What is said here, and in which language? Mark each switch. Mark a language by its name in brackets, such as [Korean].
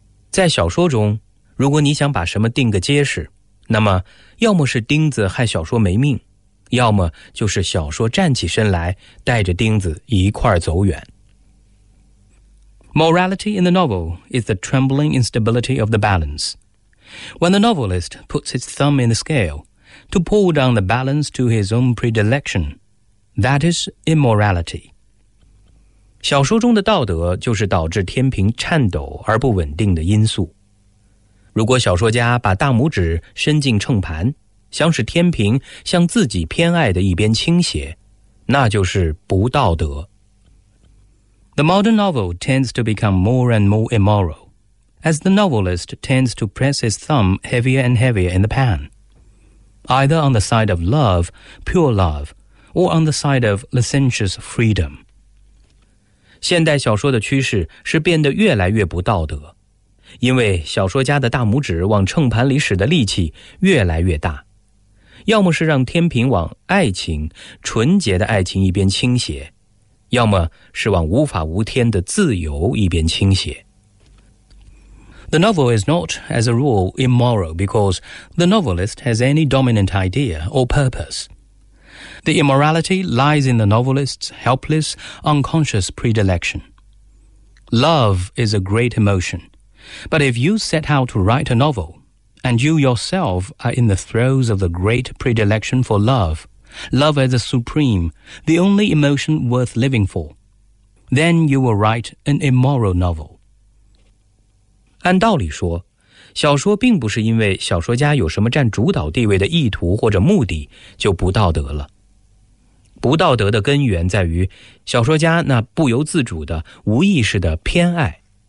[Chinese] 在小说中，如果你想把什么定个结实，那么要么是钉子害小说没命，要么就是小说站起身来带着钉子一块走远。 [English] Morality in the novel is the trembling instability of the balance. When the novelist puts his thumb in the scale to pull down the balance to his own predilectionThat is immorality. [Chinese] 小说中的道德就是导致天平颤抖而不稳定的因素。如果小说家把大拇指伸进秤盘，想使天平向自己偏爱的一边倾斜，那就是不道德。 [English] The modern novel tends to become more and more immoral, as the novelist tends to press his thumb heavier and heavier in the pan. Either on the side of love, pure love,or on the side of licentious freedom. [Chinese] 现代小说的趋势是变得越来越不道德，因为小说家的大拇指往秤盘里使的力气越来越大，要么是让天平往爱情、纯洁的爱情一边倾斜，要么是往无法无天的自由一边倾斜。 [English] The novel is not, as a rule, immoral because the novelist has any dominant idea or purpose. The immorality lies in the novelist's helpless, unconscious predilection. Love is a great emotion, but if you set out to write a novel, and you yourself are in the throes of the great predilection for love, love as a supreme, the only emotion worth living for, then you will write an immoral novel. [Chinese] 按道理说，小说并不是因为小说家有什么占主导地位的意图或者目的就不道德了。不道德的根源在于小说家那不由自主的无意识的偏爱。